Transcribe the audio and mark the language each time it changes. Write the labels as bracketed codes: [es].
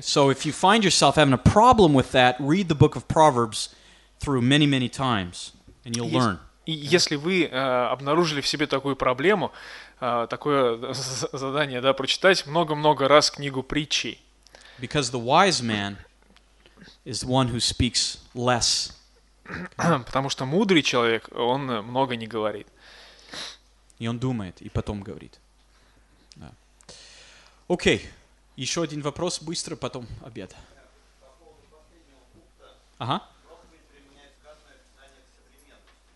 [en] So if you find yourself having a problem with that, read the book of Proverbs through many, many times, and you'll learn. Okay. [ru] Если вы обнаружили в себе такую проблему, такое задание, да, прочитать много-много раз книгу притчи. [en] Because the wise man is the one who speaks less. [ru] Потому что мудрый человек, он много не говорит. И он думает, и потом говорит. Да. Окей. Еще один вопрос, быстро, потом обед. По поводу последнего пункта. Ага. Просто быть применяет сказанное Писание к современности.